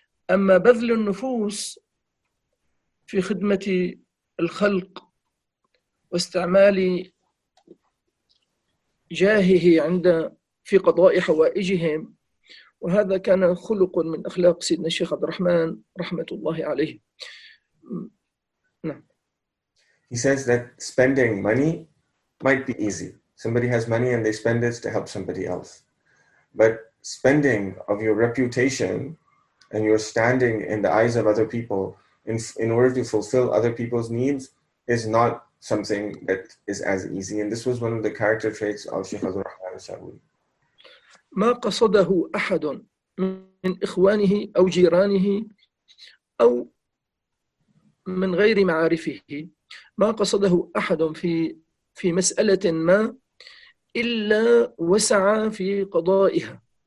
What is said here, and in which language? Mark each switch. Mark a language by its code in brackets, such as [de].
[ar] أما بذل النفوس في خدمة الخلق واستعمال جاهه في قضاء حوائجهم، وهذا كان خلق من أخلاق سيدنا الشيخ عبد الرحمن رحمة الله عليه. [en] He says that spending money might be easy. Somebody has money and they spend it to help somebody else. But spending of your reputation and your standing in the eyes of other people in order to fulfill other people's needs is not something that is as easy. And this was one of the character traits of Sheikh Abdul Rahman al-Sha'wi. [ar] ما قصده أحد من إخوانه أو جيرانه أو من غير معارفه، ما قصده أحد في مسألة ما إلا وسعى في قضائها.